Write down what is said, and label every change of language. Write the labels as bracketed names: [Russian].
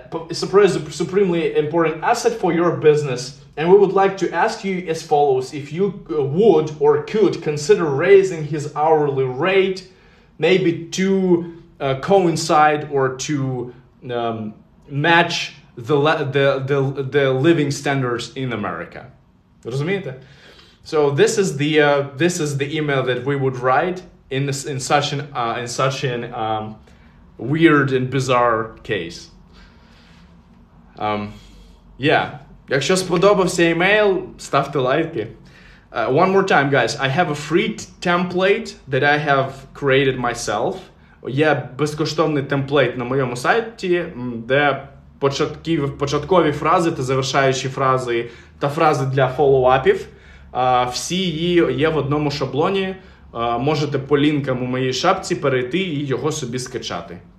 [English] supremely important asset for your business, and we would like to ask you as follows: if you would or could consider raising his hourly rate, maybe to coincide or to match the living standards in America. [Ukrainian] Розумієте? [English] So this is the email that we would write in such an weird and bizarre case. Yeah. [Ukrainian] Якщо сподобався email, ставте лайки. [English] One more time, guys. I have a free template that I have created myself. [Ukrainian] Є безкоштовний темплейт на моєму сайті, де початкові фрази та завершаючі фрази та фрази для фоллоуапів. Всі її є в одному шаблоні. Можете по лінкам у моїй шапці перейти і його собі скачати.